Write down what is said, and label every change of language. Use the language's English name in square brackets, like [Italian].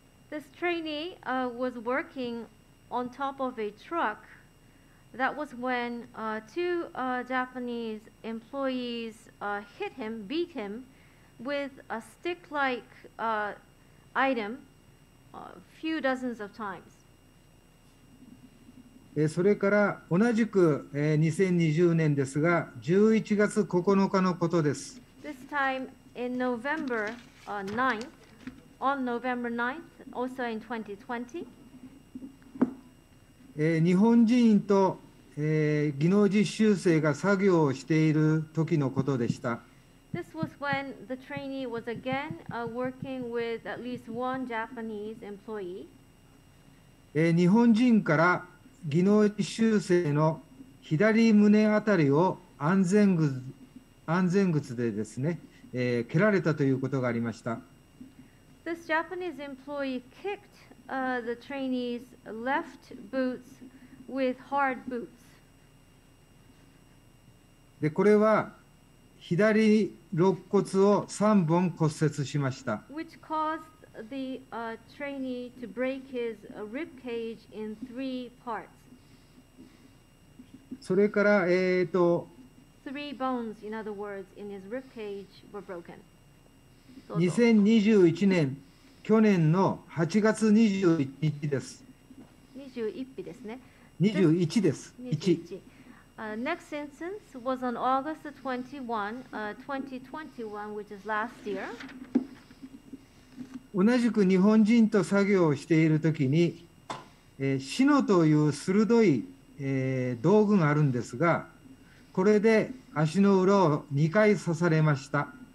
[English] This trainee was workingon top of a truck, that was when two Japanese employees hit him, beat him with a stick-like item a few dozens of times. [Japanese] それから同じく2020年ですが、11月9日のことです。 [English] This time in November 9th, on November 9th, also in 2020, [Japanese] 日本人と、技能実習生が作業をしている時のことでした。 [English] This was when the trainee was again, working with at least one Japanese employee. [Japanese] 日本人から技能実習生の左胸あたりを安全靴でですね、蹴られたということがありました。 [English] This Japanese employee kicked the trainee's left boots with hard boots. [Japanese] で、これは左肋骨を3本骨折しました。 [English] Which caused the trainee to break his rib cage in three parts. [Japanese] それから、 [English] Three bones, in other words, in his rib cage were broken. [Japanese] 2021年去年の8月21日です。 [English] Next instance was on August 21, 2021, which is last year. [Japanese] 同じく日本人と作業をしているときに、シノという鋭い、道具があるんですが、これで足の裏を2回刺されました。